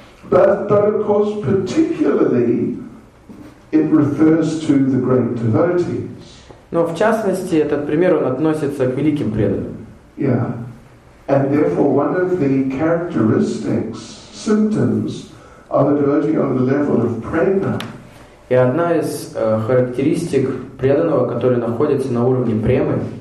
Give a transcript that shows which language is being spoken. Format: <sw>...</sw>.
<en>But of course, particularly, it refers to the great devotees.</en> <ru>Но в частности, этот пример он относится к великим преданным.</ru> <en>Yeah. And therefore one of the characteristics, symptoms of a devotee on the level of prema.</en> <ru>И одна из характеристик преданного, который находится на уровне премы,</ru>